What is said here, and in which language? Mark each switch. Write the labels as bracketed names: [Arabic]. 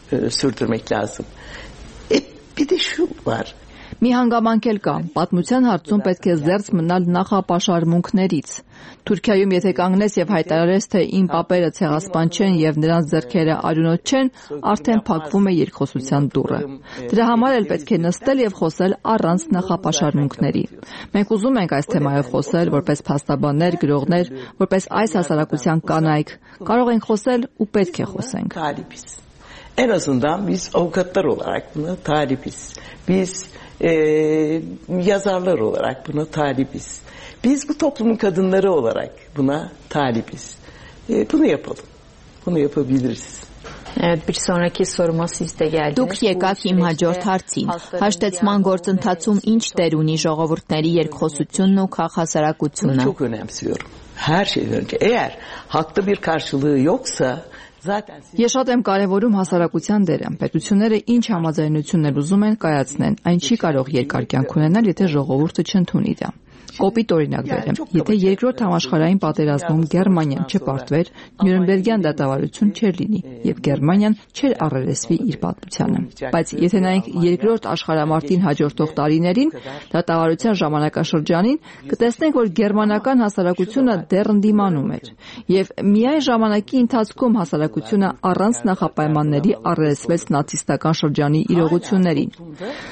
[Turkish] Sürdürmek lazım. Bir de şu var. [Armenian] Մի հանգամանք էլ կա, պատմության հարցում պետք է զերծ մնալ նախապաշարմունքներից։ Թուրքիայում եթե կանգնես եւ հայտարարես, թե իմ պապերը ցեղասպան չեն եւ նրանց ձեռքերը արյունոտ չեն, արդեն փակվում է երկխոսության դուռը։ Դրա համար էլ պետք է նստել եւ խոսել առանց նախապաշարմունքների։ Մենք ուզում ենք այս թեմայով խոսել որպես փաստաբաններ, գրողներ, որպես այս հասարակության կանայք։ Կարող ենք խոսել ու պետք է խոսենք։ [Turkish] En azından biz avukatlar olarak buna talibiz. Biz yazarlar olarak buna talibiz. Biz bu toplumun kadınları olarak buna talibiz. Bunu yapalım. Bunu yapabiliriz. Evet, bir sonraki soruma siz de geldiniz. [Armenian] Դուք եկաք իմ հաջորդ հարցին. Հաշտեցման գործընթացում ինչ տեր ունի ժողովուրդների երկխոսությունն ու քաղաքասարակությունը։ [Turkish] Çok önemsiyorum. Her şeyden önce eğer hakta bir karşılığı yoksa [Armenian] Ես շատ եմ կարևորում հասարակության դերը։ Պետությունները ինչ համաձայնություններ ուզում են կայացնեն, այն չի կարող երկար կյանք ունենալ, եթե ժողովուրդը չընդունի դա։ Կոպիտ օրինակ բերեմ, եթե երկրորդ համաշխարհային պատերազմում Գերմանիան չպարտվեր, Նյուրնբերգյան դատավարություն չէր լինի եւ Գերմանիան չէր առերեսվի իր պատմությանը։ Բայց եթե նայենք երկրորդ աշխարհամարտին հաջորդող տարիներին, դատավարության ժամանակաշրջանին, կտեսնենք, որ գերմանական հասարակությունը դեռ ընդդիմանում էր եւ միայն ժամանակի ընթացքում հասարակությունը առանց նախապայմանների առերեսվեց նացիստական շրջանի իրողություններին։